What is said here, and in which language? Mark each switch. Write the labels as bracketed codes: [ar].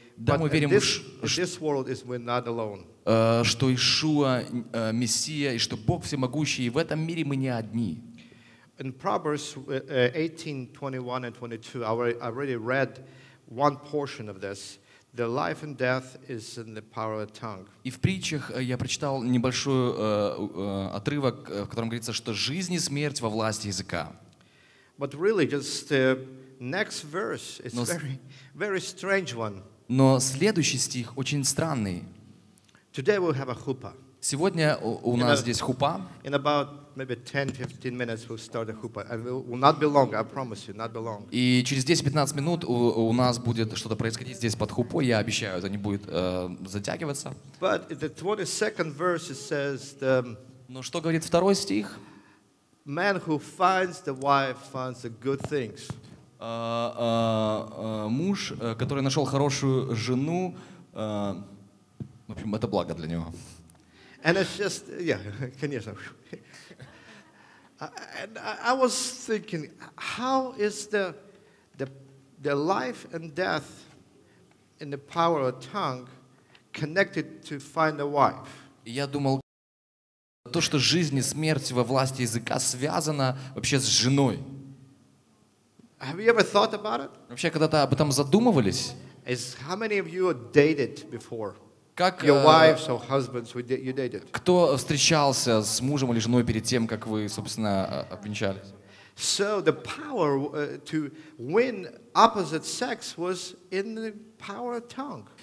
[ru] Да, мы верим что Иешуа Мессия и что Бог всемогущий, и в этом мире мы не одни. [en] In Proverbs 18:21-22, I already read one portion of this. The life and death is in the power of the tongue. [ru] И в притчах я прочитал небольшой отрывок, в котором говорится, что жизнь и смерть во власти языка. [en] But really, just the next verse is very, very strange one. [ru] Но следующий стих очень странный. [en] Today we'll have a chuppah. [ru] Сегодня у нас здесь хупа. [en] In about maybe 10-15 minutes we'll start a chuppah. And it will not be long, I promise you, not be long. [ru] И через 10-15 минут у нас будет что-то происходить здесь под хупой, я обещаю, это не будет затягиваться. [en] But the 22nd verse says the. [ru] Но что говорит второй стих? [en] Man who finds the wife finds the good things. [ru] Муж, который нашел хорошую жену, в общем, это благо для него. [en] And it's just, yeah, [ru] конечно. [en] And I was thinking, how is the life and death in the power of tongue connected to find a wife? [ru] Я думал, то, что жизнь и смерть во власти языка связана вообще с женой. [en] Have you ever thought about it? [ru] Вообще когда-то об этом задумывались? [en] Is how many of you dated before? [ru] Как [en] your wives or husbands you dated? [ru] Кто встречался с мужем или женой перед тем, как вы, собственно, обвенчались? [en] So the power to win opposite sex was in the power of tongue.